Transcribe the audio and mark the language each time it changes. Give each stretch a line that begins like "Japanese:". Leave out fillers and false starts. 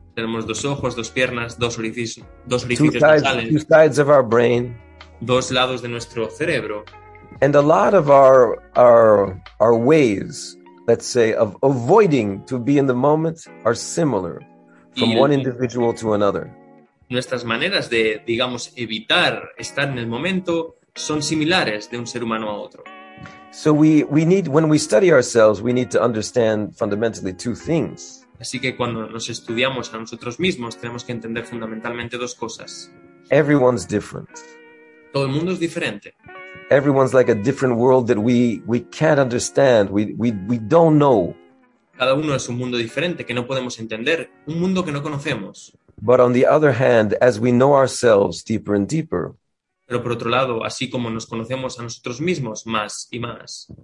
Spanish: Tenemos dos ojos, dos piernas, dos orificios nasales.
English: Two sides of our brain.
Spanish: Dos lados de nuestro cerebro.
English: And a lot of our ways, let's say, of avoiding to be in the moment are similar from one individual to another.
Spanish: Nuestras maneras de, digamos, evitar estar en el momento son similares de un ser humano a otro.
English: So we need, when we study ourselves, we need to understand fundamentally two things.
Spanish: Así que cuando nos estudiamos a nosotros mismos, tenemos que entender fundamentalmente dos cosas.
English: Everyone's different.
Spanish: Todo el mundo es diferente.
English: Everyone's like a different world that we can't understand, we don't know.
Spanish: Cada uno es un mundo diferente que no podemos entender, un mundo que no conocemos.
English: But on the other hand, as we know ourselves deeper and deeper,
Spanish: pero por otro lado, así como nos conocemos a nosotros mismos más y más,